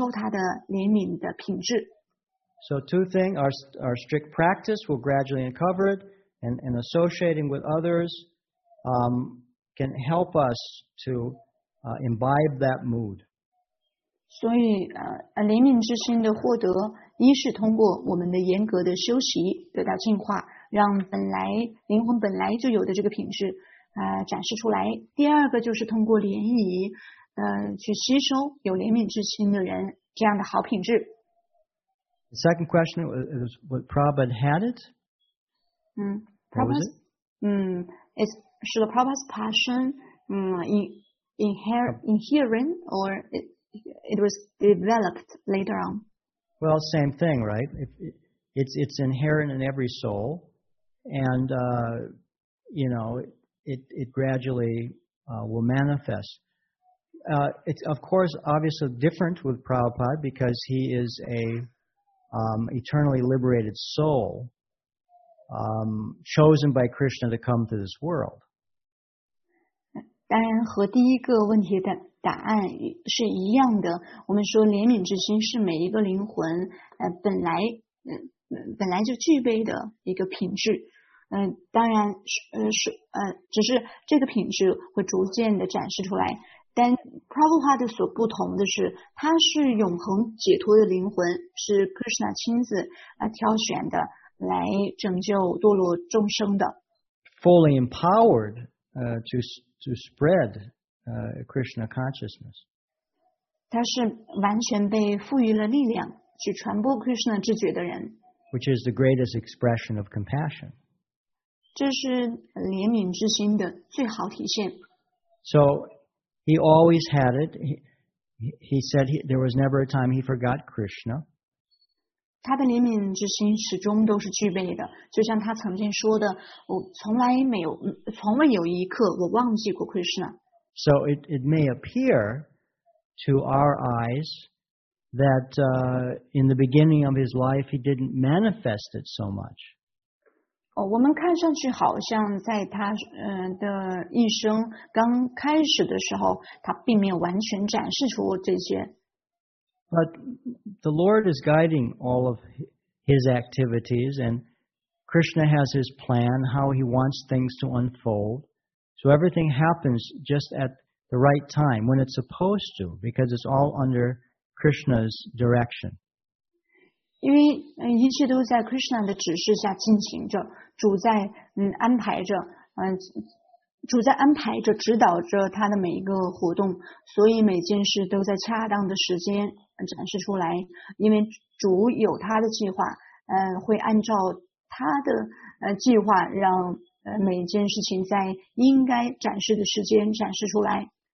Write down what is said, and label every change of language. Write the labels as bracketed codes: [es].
[zh] 如果我们想培养怜悯之心，我们就和更有怜悯之心的人去联谊，通过联谊，我们也会受到他的影响，也会吸收他的怜悯的品质。 [en] So two things, our strict practice will gradually uncover it, and associating with others can help us to imbibe that mood. [zh] 所以灵敏之心的获得，一是通过我们的严格的修习得到净化，让本来灵魂本来就有的这个品质展示出来。第二个就是通过联谊，去吸收有灵敏之心的人这样的好品质。 [en] The second question was what Prabhupada had it? Is should Prabhupada's passion inherent or it was developed later on? Well, same thing, right? If It's inherent in every soul, and you know, it gradually will manifest. It's of course obviously different with Prabhupada because he is a eternally liberated soul chosen by Krishna to come to this world. [zh] 当然和第一个问题的答案是一样的。我们说怜悯之心是每一个灵魂本来就具备的一个品质。当然只是这个品质会逐渐的展示出来。但 Prabhupada 所不同的是，他是永恒解脱的灵魂，是 Krishna 亲自挑选的，来拯救堕落众生的。 [en] Fully empowered to spread Krishna consciousness. [zh] 他是完全被赋予了力量去传播 Krishna 知觉的人。 [en] Which is the greatest expression of compassion. [zh] 这是怜悯之心的最好体现。 [en] So. He always had it. He said there was never a time he forgot Krishna. [zh] 他的怜悯之心始终都是具备的，就像他曾经说的，我从未有一刻我忘记过 Krishna. [en] So it may appear to our eyes that in the beginning of his life he didn't manifest it so much. [zh] 我们看上去好像在他的一生刚开始的时候，他并没有完全展示出这些。 [en] But the Lord is guiding all of his activities, and Krishna has his plan, how he wants things to unfold. So everything happens just at the right time, when it's supposed to, because it's all under Krishna's direction. [zh] 因为一切都在 Krishna 的指示下进行着，主在安排着，指导着他的每一个活动，所以每件事都在恰当的时间展示出来。因为主有他的计划，会按照他的计划让每件事情在应该展示的时间展示出来。